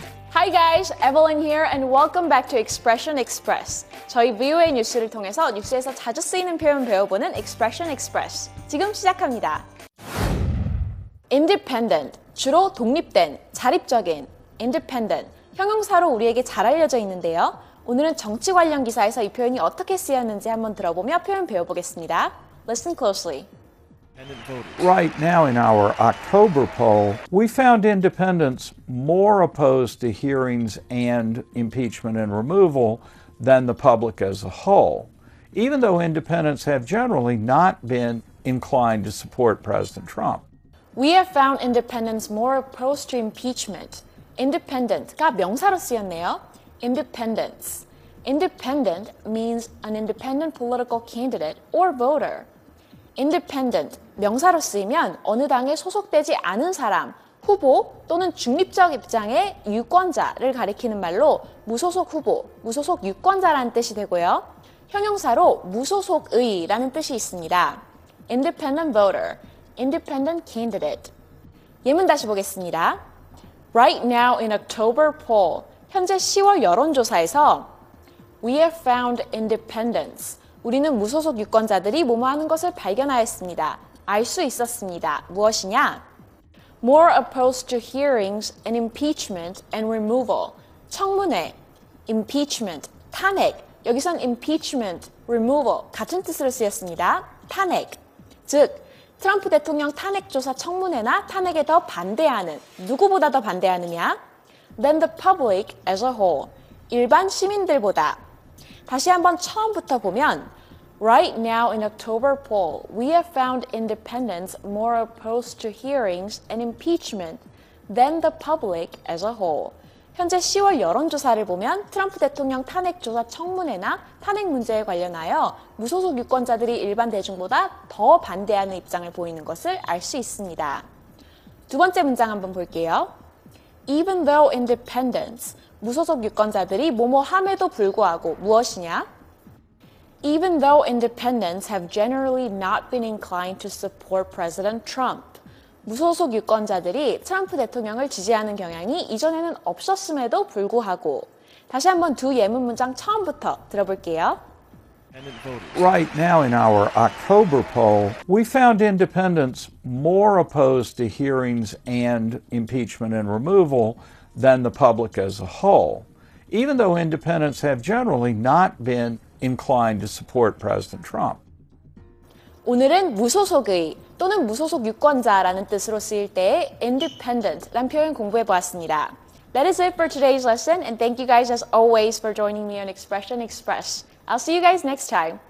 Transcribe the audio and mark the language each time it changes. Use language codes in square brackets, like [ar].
[en] Hi guys, Evelyn here and welcome back to Expression Express. [ko] 저희 VOA 뉴스를 통해서 뉴스에서 자주 쓰이는 표현 배워보는 Expression Express. 지금 시작합니다. Independent, 주로 독립된, 자립적인, independent, 형용사로 우리에게 잘 알려져 있는데요. 오늘은 정치 관련 기사에서 이 표현이 어떻게 쓰였는지 한번 들어보며 표현 배워보겠습니다. [en] Listen closely. Right now in our October poll, we found independents more opposed to hearings and impeachment and removal than the public as a whole, even though independents have generally not been inclined to support President Trump. We have found independents more opposed to impeachment. [ko] Independent가 명사로 쓰였네요. [en] Independents. Independent means an independent political candidate or voter. [ko] Independent, 명사로 쓰이면 어느 당에 소속되지 않은 사람, 후보 또는 중립적 입장의 유권자를 가리키는 말로 무소속 후보, 무소속 유권자라는 뜻이 되고요. 형용사로 무소속의라는 뜻이 있습니다. [en] Independent voter, independent candidate. [ko] 예문 다시 보겠습니다. [en] Right now in October poll, [ko] 현재 10월 여론조사에서 [en] We have found independence. [ko] 우리는 무소속 유권자들이 뭐뭐하는 것을 발견하였습니다. 알 수 있었습니다. 무엇이냐? [en] More opposed to hearings and impeachment and removal. [ko] 청문회, impeachment, 탄핵. 여기선 impeachment, removal 같은 뜻으로 쓰였습니다. 탄핵. 즉, 트럼프 대통령 탄핵 조사 청문회나 탄핵에 더 반대하는, 누구보다 더 반대하느냐? [en] Than the public as a whole. [ko] 일반 시민들보다. 다시 한번 처음부터 보면 [en] Right now in October poll, we have found independents more opposed to hearings and impeachment than the public as a whole. [ko] 현재 10월 여론조사를 보면 트럼프 대통령 탄핵 조사 청문회나 탄핵 문제에 관련하여 무소속 유권자들이 일반 대중보다 더 반대하는 입장을 보이는 것을 알 수 있습니다. 두 번째 문장 한번 볼게요. [en] Even though independents, [ko] 무소속 유권자들이 뭐뭐함에도 불구하고 무엇이냐? [en] Even though independents have generally not been inclined to support President Trump. [ko] 무소속 유권자들이 트럼프 대통령을 지지하는 경향이 이전에는 없었음에도 불구하고 다시 한번 두 예문 문장 처음부터 들어볼게요. [en] Right now in our October poll, we found independents more opposed to hearings and impeachment and removal than the public as a whole, even though independents have generally not been inclined to support President Trump. [ko] 오늘은 무소속의 또는 무소속 유권자라는 뜻으로 쓰일 때 independent라는 표현 공부해 보았습니다. [en] That is it for today's lesson, and thank you guys as always for joining me on Expression Express. I'll see you guys next time.